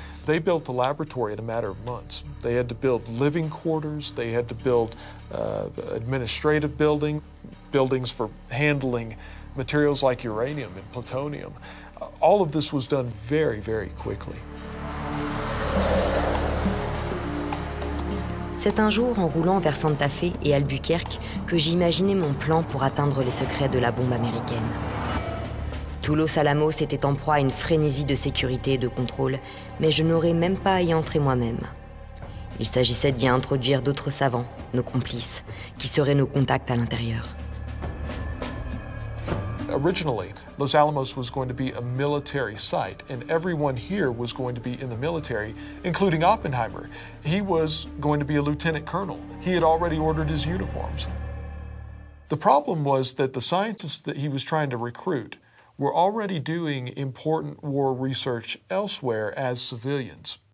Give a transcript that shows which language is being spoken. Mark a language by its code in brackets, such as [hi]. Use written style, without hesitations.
[en] They built a laboratory in a matter of months. They had to build living quarters. They had to build administrative buildings for handling materials like uranium and plutonium. All of this was done very, very quickly. [fr] C'est un jour en roulant vers Santa Fe et Albuquerque que j'imaginais mon plan pour atteindre les secrets de la bombe américaine. Tout Los Alamos était en proie à une frénésie de sécurité et de contrôle, mais je n'aurais même pas à y entrer moi-même. Il s'agissait d'y introduire d'autres savants, nos complices, qui seraient nos contacts à l'intérieur. [en] Originally, Los Alamos was going to be a military site, and everyone here was going to be in the military, including Oppenheimer. He was going to be a lieutenant colonel. He had already ordered his uniforms. The problem was that the scientists that he was trying to recruit were already doing important war research elsewhere as civilians.